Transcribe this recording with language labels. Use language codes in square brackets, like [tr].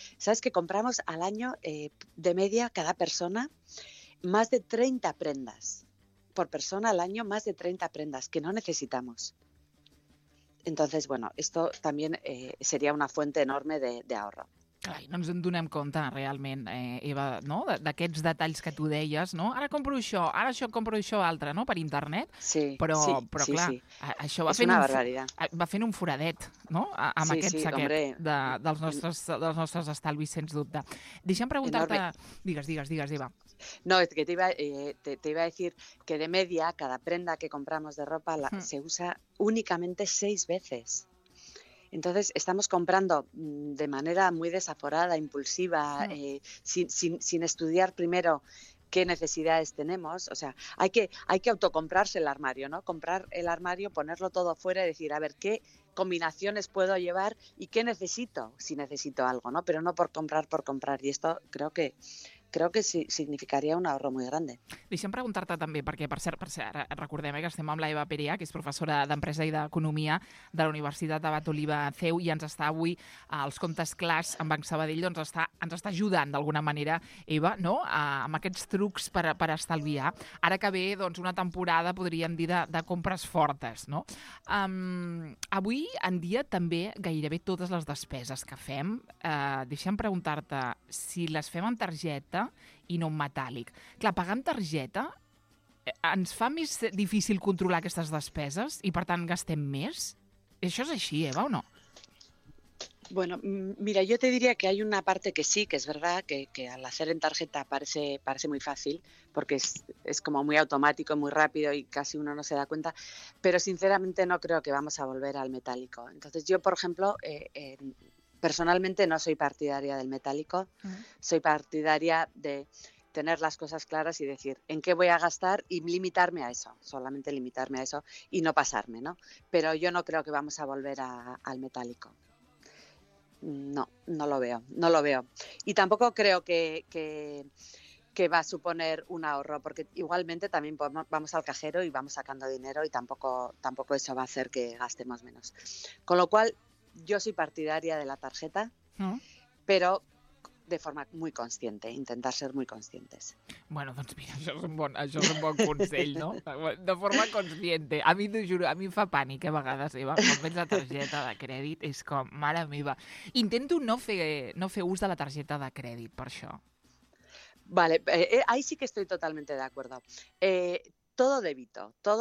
[es] ¿Sabes que compramos al año, de media, cada persona, más de 30 prendas? Por persona al año, más de 30 prendas que no necesitamos. Entonces, bueno, esto también sería una fuente enorme de ahorro. [ca] Clar, no ens en donem compte, realment, Eva, no? D'aquests detalls que tu deies, no? Ara compro això altre, no? Per internet. Sí, però sí, clar, sí. Això va fent, una barbaritat. Va fent un foradet, no? Amb sí, aquest sí, saquet dels nostres estalvis, sens dubte. Deixa'm preguntar-te... Digues, Eva. [es] No, es que te iba a decir que de media, cada prenda que compramos de ropa se usa únicamente 6 veces. Entonces, estamos comprando de manera muy desaforada, impulsiva, sin estudiar primero qué necesidades tenemos. O sea, hay que autocomprarse el armario, ¿no? Comprar el armario, ponerlo todo fuera y decir, a ver, qué combinaciones puedo llevar y qué necesito, si necesito algo, ¿no? Pero no por comprar, por comprar. Y esto creo que creo que sí, significaría un ahorro muy grande. Deixa'm preguntar-te també, perquè, per cert, recordem que estem amb la Eva Perea, que és professora d'Empresa i d'Economia de la Universitat Abat Oliva CEU, i ens està avui als Comptes Clars en Banc Sabadell, doncs ens està ajudant d'alguna manera, Eva, no? Amb aquests trucs per estalviar. Ara que ve, doncs, una temporada, podríem dir, de compres fortes, no? Avui en dia també gairebé totes les despeses que fem, deixa'm preguntar-te si les fem amb targeta i no amb metàl·lic. Clar, pagar amb targeta ens fa més difícil controlar aquestes despeses i, per tant, gastem més? Això és així, Eva, o no? Bueno, mira, yo te diría que hay una parte que sí, que es verdad, que al hacer en tarjeta parece muy fácil, porque es como muy automático, muy rápido y casi uno no se da cuenta, pero sinceramente no creo que vamos a volver al metálico. Entonces yo, por ejemplo, personalmente no soy partidaria del metálico, soy partidaria de tener las cosas claras y decir en qué voy a gastar y limitarme a eso, solamente limitarme a eso y no pasarme, ¿no? Pero yo no creo que vamos a volver al metálico. No lo veo. Y tampoco creo que va a suponer un ahorro, porque igualmente también vamos al cajero y vamos sacando dinero y tampoco eso va a hacer que gastemos menos. Con lo cual, yo soy partidaria de la tarjeta, pero de forma muy consciente, intentar ser muy conscientes. [ca] Bueno, doncs mira, això és un bon consell, no? De forma consciente. A mi, t'ho juro, a mi em fa pànic, a vegades, Eva, quan veig la targeta de crèdit, és com, mare meva. Intento no fer ús de la targeta de crèdit, per això. [es] Vale, ahí sí que estoy totalmente de acuerdo. Todo débito.